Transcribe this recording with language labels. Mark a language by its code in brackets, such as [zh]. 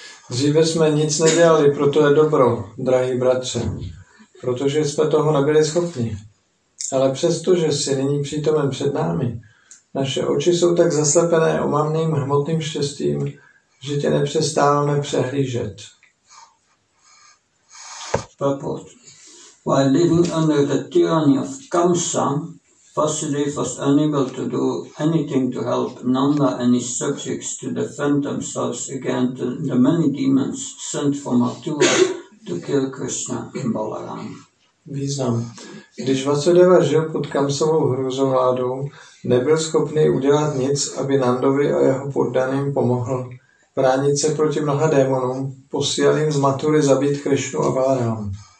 [cs] Dříve jsme nic nedělali, proto je dobro, drahý bratře, protože jsme toho nebyli schopni. Ale přesto, že jsi nyní přítomen před námi, naše oči jsou tak zaslepené omamným hmotným štěstím, že tě nepřestáváme přehlížet. [en] Purport. While living under the tyranny of Kamsa, Vasudev was unable to do anything to help Nanda and his subjects to defend themselves against the many demons sent from Mathura to kill Krishna and Balaram. [cs] Význam. Když Vasudeva žil pod Kamsovou hrůzovládou, nebyl schopný udělat nic, aby Nandovi a jeho poddaným pomohl bránit se proti mnoha démonům, posílaným z Mathury zabít Krishnu a Balaram.